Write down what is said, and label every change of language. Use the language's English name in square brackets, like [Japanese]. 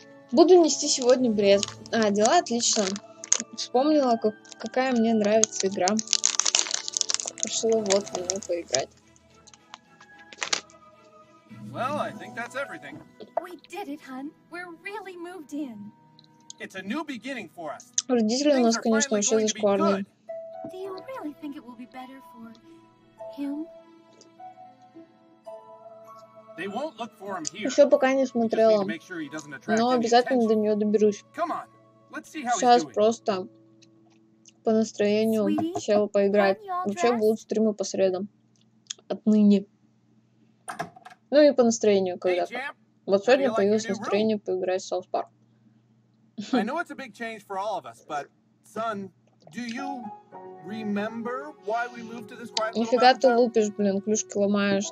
[Russian] Буду нести сегодня бред. А, дела отлично. Вспомнила, какая мне нравится игра. Пошла вот в нее поиграть. [English] Well, I think that's everything. We did it, hun. We're really moved in. It's a new beginning for us. [Russian] Родители у нас, конечно, вообще зашкварные. [English] Do you really think it will be better for him? They won't look for him here. [Russian] Еще пока не смотрела, но обязательно до нее доберусь. Сейчас просто по настроению села поиграть. Вообще будут стримы по средам. Отныне. Ну и по настроению когда-то. Вот сегодня появилось настроение поиграть в South Park. [English] I know it's a big change for all of us, but son, do you remember why we moved to this quiet little [Russian] Нифига ты лупишь, блин, клюшки ломаешь.